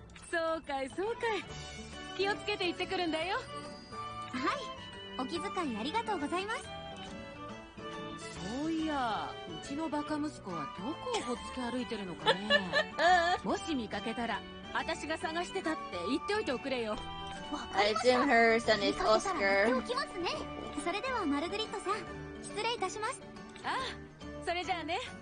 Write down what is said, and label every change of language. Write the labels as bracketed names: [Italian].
[Japanese] そうかいそうかい、気をつけて行ってくるんだよ。はい、お気遣いありがとうございます。そういや、うちのバカ息子はどこをほっつけ歩いてるのかねもし見かけたら私が探してたって言っておいておくれよ。 [English] わかりました。 I assume her son is Oscar. [Japanese] 言っておきますね。それではマルグリットさん、失礼いたします。ああ、それじゃあね。